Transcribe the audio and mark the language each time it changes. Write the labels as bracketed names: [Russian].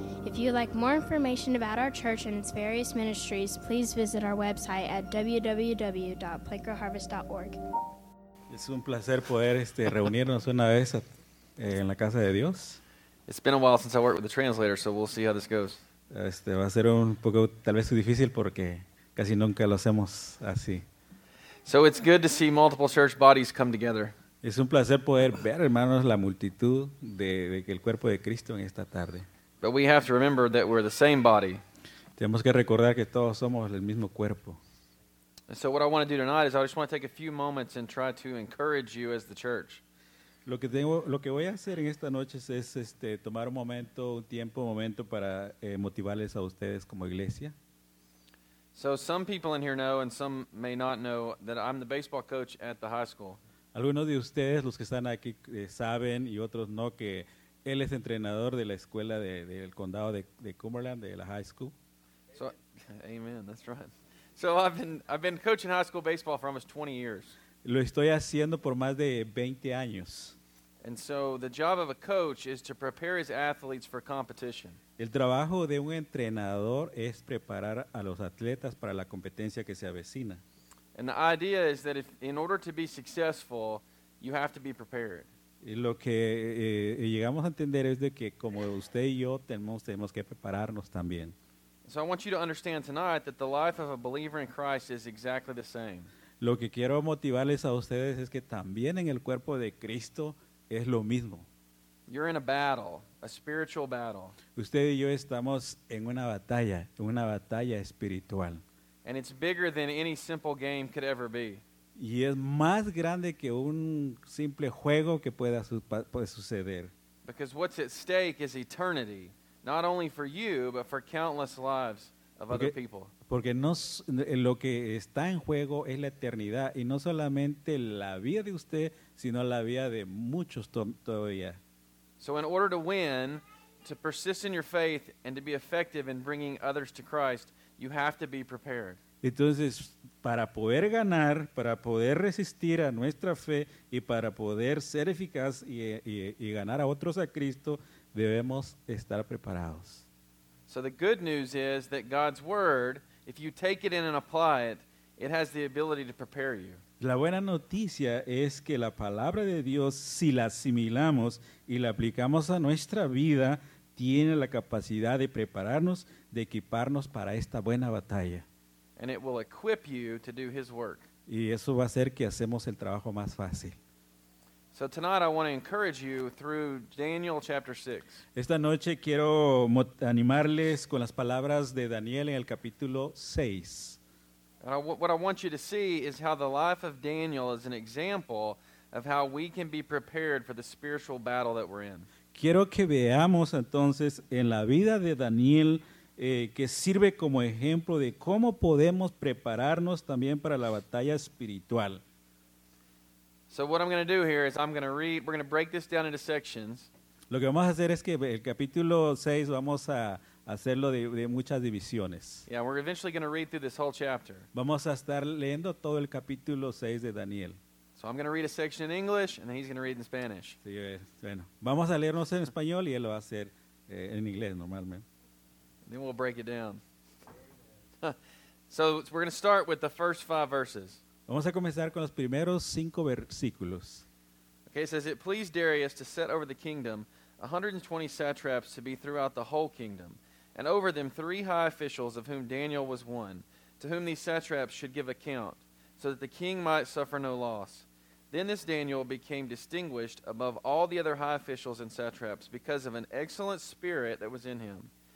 [English] If you'd like more information about our church and its various ministries, please visit our website at www.plankrowharvest.org. [Spanish] Es un placer poder reunirnos una vez en la casa de Dios. [English] It's been a while since I worked with the translator, so we'll see how this goes. [Spanish] Va a ser un poco tal vez difícil porque casi nunca lo hacemos así. [English] So it's good to see multiple church bodies come together. [Spanish] Es un placer poder ver, hermanos, la multitud de que el cuerpo de Cristo en esta tarde. [English] But we have to remember that we're the same body. [Spanish] Tenemos que recordar que todos somos el mismo cuerpo. [English] And so what I want to do tonight is I just want to take a few moments and try to encourage you as the church. [Spanish] Lo que voy a hacer en esta noche es tomar un momento para motivarles a ustedes como iglesia. [English] So some people in here know and some may not know that I'm the baseball coach at the high school. [Spanish] Algunos de ustedes, los que están aquí, saben y otros no, que él es entrenador de la escuela del condado de Cumberland, de la high school. [English] So, amen, that's right. So I've been coaching high school baseball for almost 20 years. [Spanish] Lo estoy haciendo por más de 20 años. [English] And so the job of a coach is to prepare his athletes for competition. [Spanish] El trabajo de un entrenador es preparar a los atletas para la competencia que se avecina. [English] And the idea is that if, in order to be successful, you have to be prepared. [Spanish] Y lo que llegamos a entender es de que como usted y yo tenemos que prepararnos también. [English] So I want you to understand tonight that the life of a believer in Christ is exactly the same. [Spanish] Lo que quiero motivarles a ustedes es que también en el cuerpo de Cristo es lo mismo. [English] You're in a battle, a spiritual battle. [Spanish] Usted y yo estamos en una batalla espiritual. [English] And it's bigger than any simple game could ever be. [Spanish] Y es más grande que un simple juego que puede suceder. [English] Because what's at stake is eternity, not only for you, but for countless lives of other people. [Spanish] Porque no, lo que está en juego es la eternidad, y no solamente la vida de usted, sino la vida de muchos todavía. [English] So in order to win, to persist in your faith, and to be effective in bringing others to Christ, you have to be prepared. [Spanish] Entonces, para poder ganar, para poder resistir a nuestra fe y para poder ser eficaz y ganar a otros a Cristo, debemos estar preparados. [English] So the good news is that God's word, if you take it in and apply it, it has the ability to prepare you. [Spanish] La buena noticia es que la palabra de Dios, si la asimilamos y la aplicamos a nuestra vida, tiene la capacidad de prepararnos, de equiparnos para esta buena batalla. [English] And it will equip you to do his work. [Spanish] Y eso va a hacer que hacemos el trabajo más fácil. [English] So tonight I want to encourage you through Daniel chapter 6. [Spanish] Esta noche quiero animarles con las palabras de Daniel en el capítulo 6. [English] What I want you to see is how the life of Daniel is an example of how we can be prepared for the spiritual battle that we're in. [Spanish] Quiero que veamos entonces en la vida de Daniel que sirve como ejemplo de cómo podemos prepararnos también para la batalla espiritual. [English] So what I'm going to do here is I'm going to read, we're going to break this down into sections. [Spanish] Lo que vamos a hacer es que el capítulo 6 vamos a hacerlo de muchas divisiones. [English] Yeah, we're eventually going to read through this whole chapter. [Spanish] Vamos a estar leyendo todo el capítulo 6 de Daniel. [English] So I'm going to read a section in English, and then he's going to read in Spanish. [Spanish] Sí, bueno. Vamos a leernos en español, y él lo va a hacer en inglés, normalmente. [English] Then we'll break it down. So we're going to start with the first five verses. [Spanish] Vamos a comenzar con los primeros cinco versículos. [English] Okay, it says, it pleased Darius to set over the kingdom 120 satraps to be throughout the whole kingdom, and over them three high officials of whom Daniel was one, to whom these satraps should give account, so that the king might suffer no loss. Then this Daniel became distinguished above all the other high officials and satraps because of an excellent spirit that was in him.